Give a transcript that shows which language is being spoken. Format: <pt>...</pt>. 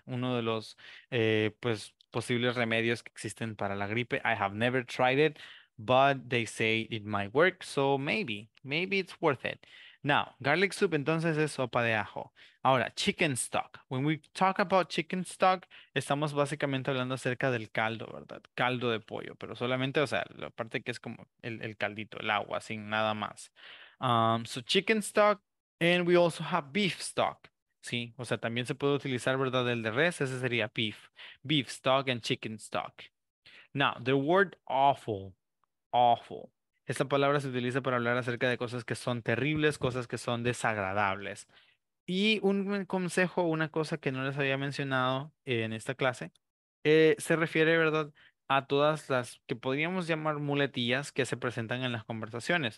<es>Uno de los posibles remedios que existen para la gripe.</es> <en>I have never tried it, but they say it might work, so maybe it's worth it. Now, garlic soup,</en> <es>entonces, es sopa de ajo. Ahora, chicken stock.</es> <en>When we talk about chicken stock,</en> <es>estamos básicamente hablando acerca del caldo, ¿verdad? Caldo de pollo, pero solamente, o sea, la parte que es como el caldito, el agua, sin nada más.</es> <en>So, chicken stock, and we also have beef stock.</en> <es>Sí, o sea, también se puede utilizar, ¿verdad? El de res, ese sería</es> <en>beef. Beef stock and chicken stock. Now, the word awful. Awful.</en> <es>Esta palabra se utiliza para hablar acerca de cosas que son terribles, cosas que son desagradables. Y un consejo, una cosa que no les había mencionado en esta clase, se refiere, ¿verdad?, a todas las que podríamos llamar muletillas que se presentan en las conversaciones.</es>